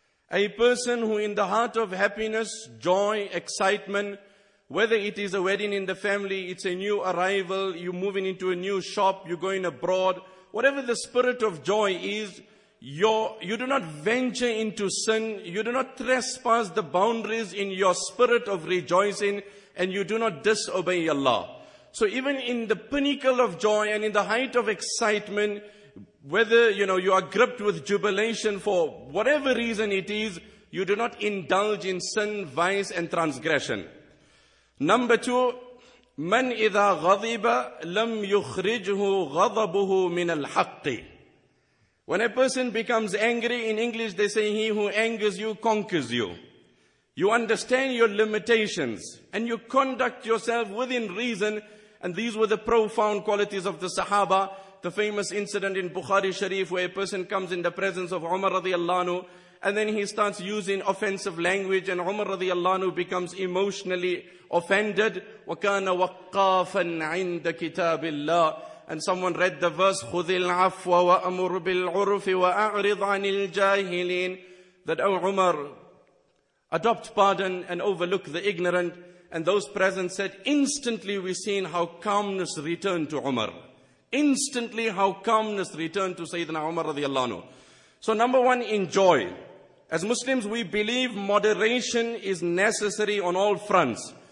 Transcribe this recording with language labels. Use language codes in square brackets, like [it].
[en] A person who in the heart of happiness, joy, excitement, whether it is a wedding in the family, it's a new arrival, you're moving into a new shop, you're going abroad, whatever the spirit of joy is, you do not venture into sin, you do not trespass the boundaries in your spirit of rejoicing, and you do not disobey Allah. So even in the pinnacle of joy and in the height of excitement, whether you are gripped with jubilation for whatever reason it is, you do not indulge in sin, vice and transgression. Number two, [ar] من إذا غضب لم يخرجه غضبه من الحق. [en] When a person becomes angry, in English they say, he who angers you conquers you. You understand your limitations and you conduct yourself within reason. And these were the profound qualities of the Sahaba. The famous incident in Bukhari Sharif where a person comes in the presence of Umar radiallahu anhu, and then he starts using offensive language, and Umar radiallahu anhu becomes emotionally offended. [ar] وَكَانَ وَقَّافًا عِنْدَ كِتَابِ اللَّهِ. [en] And someone read the verse, [ar] خُذِ الْعَفْوَ وَأَمُرْ بِالْعُرْفِ وَأَعْرِضْ عَنِ الْجَاهِلِينَ. [en] That, O Umar, adopt pardon and overlook the ignorant. And those present said, instantly we've seen how calmness returned to Umar. Instantly, how calmness returned to Sayyidina Umar radiallahu anhu. So number one, enjoy. As Muslims, we believe moderation is necessary on all fronts.